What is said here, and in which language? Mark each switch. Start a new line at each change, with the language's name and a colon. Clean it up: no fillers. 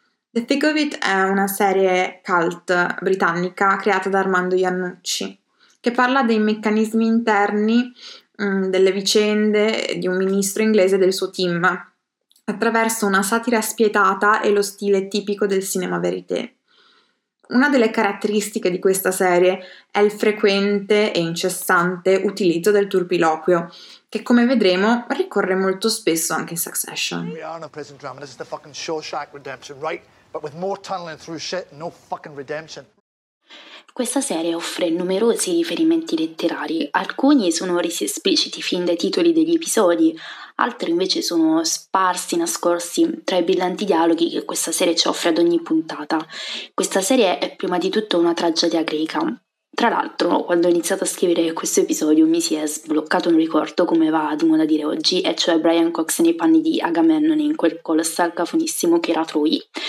Italian: The Thick of It è una serie cult britannica creata da Armando Iannucci, che parla dei meccanismi interni delle vicende di un ministro inglese e del suo team, attraverso una satira spietata e lo stile tipico del cinema verité. Una delle caratteristiche di questa serie è il frequente e incessante utilizzo del turpiloquio, che come vedremo ricorre molto spesso anche in Succession.
English: We are in a prison drama. This is the fucking Shawshank Redemption, right? But with more tunneling through shit, no fucking redemption.
Italian: Questa serie offre numerosi riferimenti letterari, alcuni sono resi espliciti fin dai titoli degli episodi, altri invece sono sparsi, nascosti tra i brillanti dialoghi che questa serie ci offre ad ogni puntata. Questa serie è prima di tutto una tragedia greca. Tra l'altro, quando ho iniziato a scrivere questo episodio mi si è sbloccato un ricordo, come va ad uno da dire oggi, e cioè Brian Cox nei panni di Agamennone in quel colossal cafonissimo che era Troy.